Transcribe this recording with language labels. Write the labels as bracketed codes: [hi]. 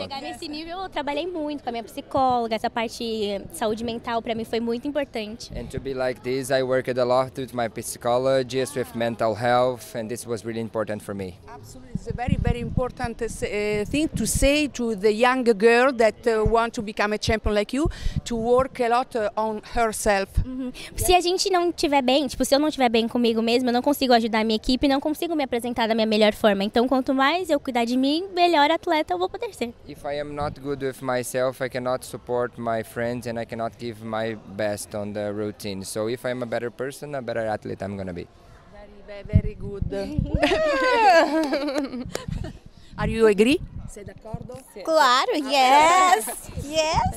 [pt] Chegar nesse nível, eu trabalhei muito com a minha psicóloga. Essa parte saúde mental para mim foi muito importante. [en] And to be like this, I worked a lot with my psychologist, with mental health, and this was really important for me. Absolutely, it's a very, very important thing to say to the young girl that want to become a champion like you, to work a lot on herself. Mm-hmm. [pt] Yeah. Se a gente não estiver bem, tipo, se eu não estiver bem comigo mesma, eu não consigo ajudar a minha equipe, não consigo me apresentar da minha melhor forma. Então, quanto mais eu cuidar de mim, melhor atleta eu vou poder ser. [en] If I am not good with myself, I cannot support my friends and I cannot give my best on the routine. So, if I am a better person, a better athlete I'm gonna be. Very, very, very good. Are you agree? [it] Sei d'accordo? [en] Claro, yes. Yes.